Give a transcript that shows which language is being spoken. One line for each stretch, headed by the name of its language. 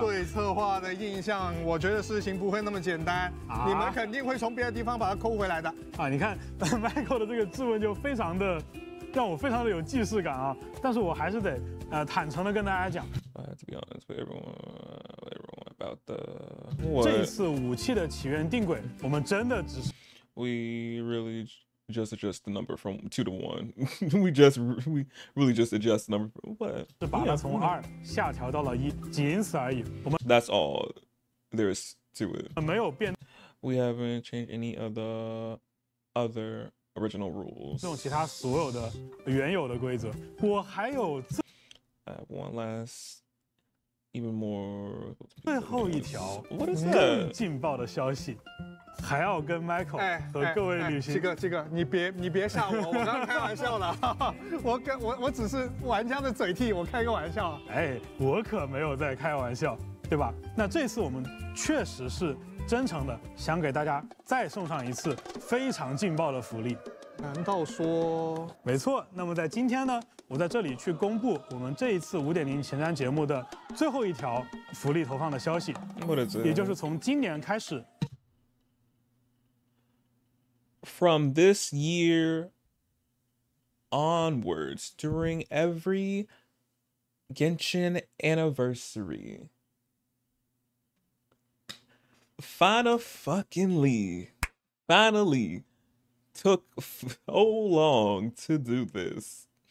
Chinese: 以我对策划的印象，我觉得事情不会那么简单。啊、你们肯定会从别的地方把它抠回来的。啊，你看 Michael 的这个质问就非常的，让我非常的有既视感啊。但是我还是得坦诚的跟大家讲。
English: I have to be honest with everyone about the
Chinese: 这一次武器的起源定轨，我们真的只是
English: We really just adjust the number from 2 to 1. we really just adjust the number from, what?
Chinese: 是把它从二下调到了一，仅此而已。我们
English: That's all there is to it.
Chinese: 没有变。
English: We haven't changed any of the other original rules.
Chinese: 这种其他所有的原有的规则。我还有这。
English: One last, even more.
Chinese: 最后一条。
English: What is that?
Chinese: 更劲爆的消息。还要跟 Michael 和各位旅行、哎哎哎，七哥，你别吓我，我刚刚开玩笑了，我只是玩家的嘴替，我开个玩笑。哎，我可没有在开玩笑，对吧？那这次我们确实是真诚的，想给大家再送上一次非常劲爆的福利。难道说？没错。那么在今天呢，我在这里去公布我们这一次5.0前瞻节目的最后一条福利投放的消息，也就是从今年开始。
English: From this year onwards, during every Genshin anniversary, finally took so long to do this.